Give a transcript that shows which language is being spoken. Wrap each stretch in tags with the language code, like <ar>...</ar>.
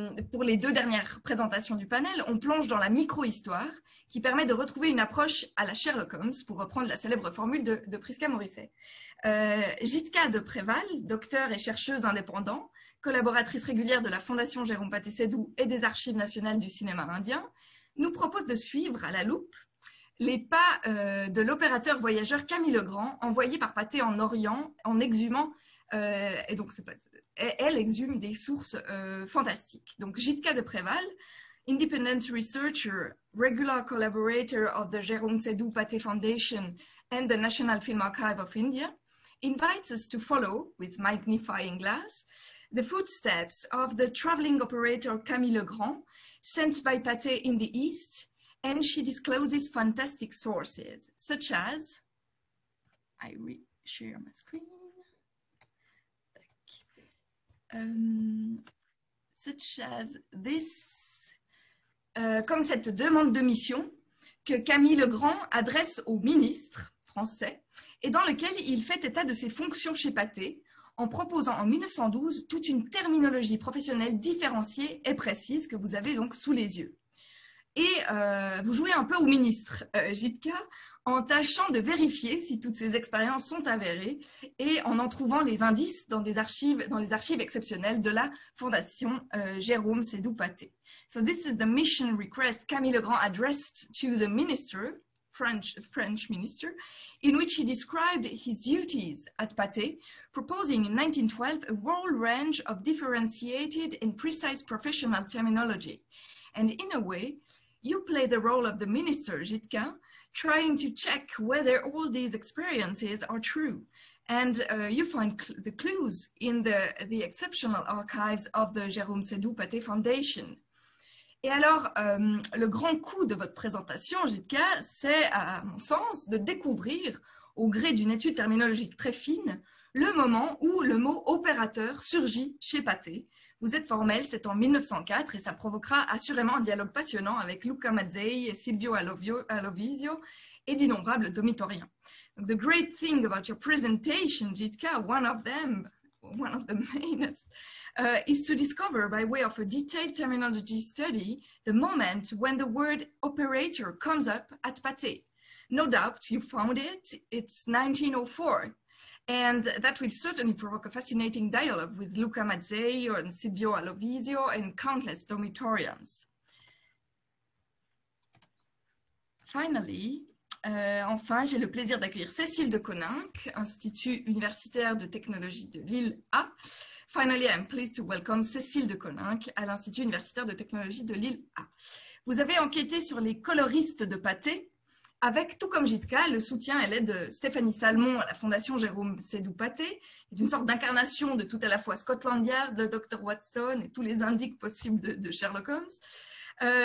<fr>Pour les deux dernières présentations du panel, on plonge dans la micro-histoire qui permet de retrouver une approche à la Sherlock Holmes, pour reprendre la célèbre formule de Prisca Morrissey. Jitka de Préval, docteur et chercheuse indépendant, collaboratrice régulière de la Fondation Jérôme Pathé-Sédoux et des Archives nationales du cinéma indien, nous propose de suivre à la loupe les pas de l'opérateur voyageur Camille Legrand, envoyé par Pathé en Orient, en exhumant, et donc c'est pas, elle exhume des sources fantastiques.</fr> <en>Donc Jitka de Préval, independent researcher, regular collaborator of the Jérôme Sédoux Pathé Foundation and the National Film Archive of India, invites us to follow, with magnifying glass, the footsteps of the traveling operator Camille Legrand, sent by Pathé in the East, and she discloses fantastic sources, such as, I re-share my screen, Such as this,</en> <fr>comme cette demande de mission que Camille Legrand adresse au ministre français et dans lequel il fait état de ses fonctions chez Pathé en proposant en 1912 toute une terminologie professionnelle différenciée et précise que vous avez donc sous les yeux. Et vous jouez un peu au ministre, Gitka, en tâchant de vérifier si toutes ces expériences sont avérées et en trouvant les indices dans des archives, dans les archives exceptionnelles de la Fondation Jérôme Sédou Pathé.</fr> <en>So this is the mission request Camille Legrand addressed to the minister, French minister, in which he described his duties at Pathé, proposing in 1912 a whole range of differentiated and precise professional terminology. And in a way, you play the role of the minister, Gitka, trying to check whether all these experiences are true. And you find cl the clues in the exceptional archives of the Jérôme Sédou Pathé Foundation.</en> <fr>Et alors, le grand coup de votre présentation, Gitka, c'est, à mon sens, de découvrir, au gré d'une étude terminologique très fine, le moment où le mot opérateur surgit chez Pathé. Vous êtes formel, c'est en 1904 et ça provoquera assurément un dialogue passionnant avec Luca Mazzei et Silvio Alovisio et d'innombrables domitoriens.</fr> <en>The great thing about your presentation, Jitka, one of the main, is to discover by way of a detailed terminology study the moment when the word operator comes up at Pathé. No doubt you found it's 1904. And that will certainly provoke a fascinating dialogue with Luca Mazzei and Silvio Alovisio and countless dormitorians.</en> <fr>Finally, enfin, j'ai le plaisir d'accueillir Cécile de Coninck, Institut universitaire de technologie de Lille A.</fr> <en>Finally, I'm pleased to welcome Cécile de Coninck à l'Institut universitaire de technologie de Lille A.</en> <fr>Vous avez enquêté sur les coloristes de Pathé, avec, tout comme Gitka, le soutien et l'aide de Stéphanie Salmon à la Fondation Jérôme Sédou Pathé, d'une sorte d'incarnation de tout à la fois Scotland Yard, le Dr Watson et tous les indices possibles de Sherlock Holmes.</fr>